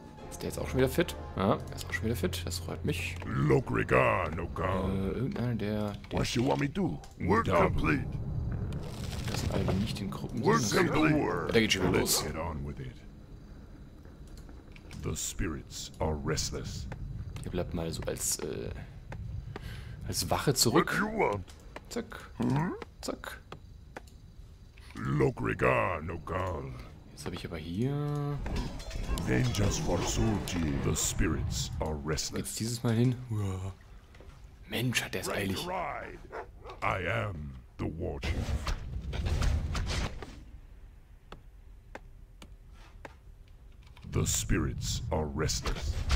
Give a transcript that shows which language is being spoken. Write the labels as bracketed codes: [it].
[de] Ist der jetzt auch schon wieder fit? Ja, er ist auch schon wieder fit. Das freut mich. Lokriga, no god. Irgendeiner der. [en] What you want me to do? Work complete. [de] Das sind alle nicht in Gruppen. [en] Work complete. [de] Da geht's schon los. [en] Get on with it. The spirits are restless. [de] Ihr bleibt mal so als Wache zurück. [en] What you want? [de] Zack. Zack. Lokriga, no god. Jetzt habe ich aber hier. [en] Vengeance for Sulti. The spirits are restless. [de] Jetzt dieses Mal hin. Mensch, hat der es eilig. [en] I am the war chief. The spirits are restless.